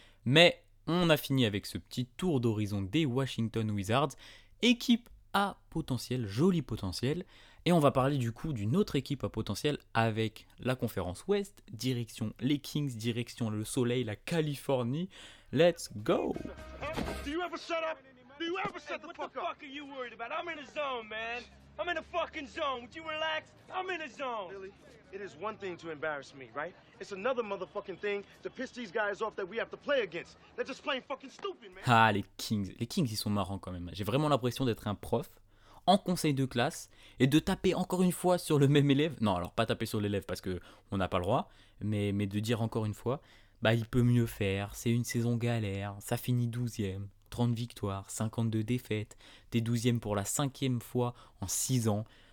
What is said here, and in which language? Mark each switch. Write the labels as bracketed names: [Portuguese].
[French] Mais on a fini avec ce petit tour d'horizon des Washington Wizards, équipe à potentiel, joli potentiel. Et on va parler du coup d'une autre équipe à potentiel avec la conférence Ouest, direction les Kings, direction le Soleil, la Californie. [English] Let's go! Do you ever shut up? Do you ever shut the fuck up? What the fuck are you worried about? I'm in a zone, man. I'm in a fucking zone. Would you relax? I'm in a zone. Really? It is one thing to embarrass me, right? It's another motherfucking thing to piss these guys off that we have to play against. They're just playing fucking stupid, man. [French] Ah, les Kings. Les Kings, ils sont marrants quand même. J'ai vraiment l'impression d'être un prof en conseil de classe et de taper encore une fois sur le même élève. Non, alors pas taper sur l'élève parce que on n'a pas le droit, mais de dire encore une fois, bah il peut mieux faire, c'est une saison galère, ça finit 12e, 30 victoires, 52 défaites, t'es 12e pour la 5e fois en 6 ans.